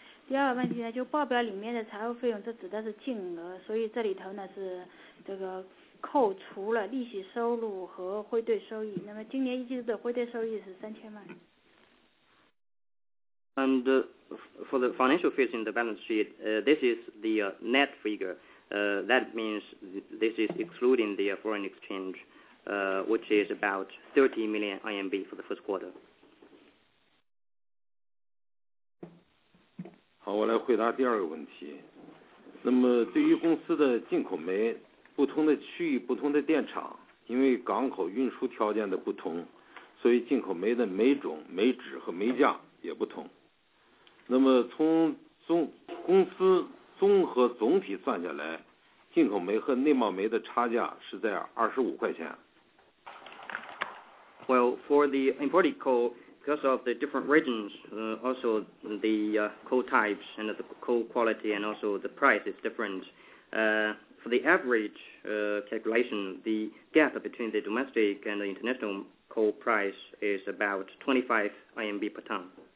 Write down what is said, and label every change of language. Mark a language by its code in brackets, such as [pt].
[zh] 第二个问题呢，就报表里面的财务费用，这指的是净额，所以这里头呢是这个。扣除了利息收入和汇兑收益，那么今年一季度的汇兑收益是3000万。 [en] And for the financial fees in the balance sheet, this is the net figure. That means this is excluding the foreign exchange, which is about 30 million RMB for the first quarter. [zh] 好，我来回答第二个问题。那么对于公司的进口煤。不同的区域不同的电厂，因为港口运输条件的不同，所以进口煤的煤种煤质和煤价也不同。那么从公司综合总体算下来，进口煤和内贸煤的差价是在25块钱。 [en] Well, for the imported coal, because of the different regions, also the coal types and the coal quality and also the price is different. For the average calculation, the gap between the domestic and the international coal price is about 25 RMB per ton.